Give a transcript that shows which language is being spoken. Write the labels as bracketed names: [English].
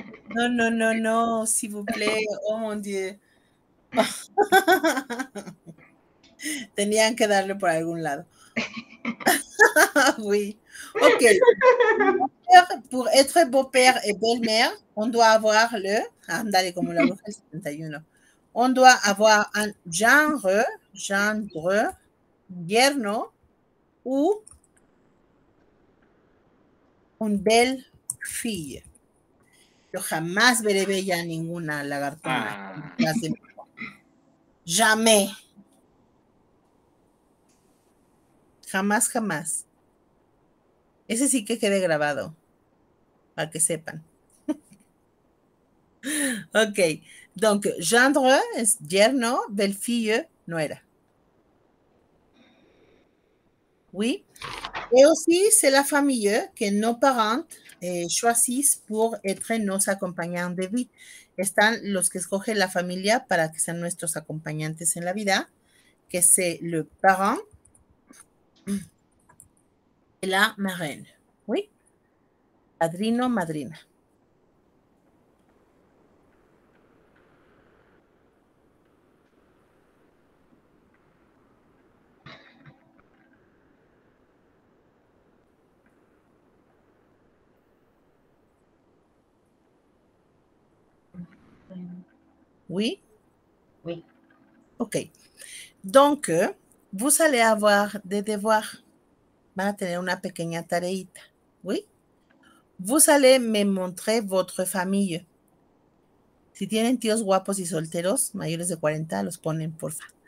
[French] No, no, no, no, s'il vous plaît. Oh, mon Dieu. [Spanish] Tenían que darle por algún lado. [French] Oui. Ok. Pour être beau-père et belle-mère, on doit avoir le... [Spanish] Andale, como la mujer 71. [French] On doit avoir un genre, genre, yerno, ou une belle fille. [Spanish] Yo jamás veré bella ninguna lagartona. Ah. [French] Jamais. [Spanish] Jamás, jamás. Ese sí que quede grabado, para que sepan. [French] Ok. Donc, gendre es yerno, belle-fille, nuera. Oui. Et aussi, c'est la famille que nos parents choisissent pour être nos acompañantes de vie. [Spanish] Están los que escogen la familia para que sean nuestros acompañantes en la vida, [French] que c'est le parent et la marraine. [Spanish] Oui. Padrino, madrina. [French] Oui. Oui. Ok. Donc, vous allez avoir des devoirs. [Spanish] Van a tener una pequeña tareita. [French] Oui. Vous allez me montrer votre famille. [Spanish] Si tienen tíos guapos y solteros, mayores de 40, los ponen, porfa.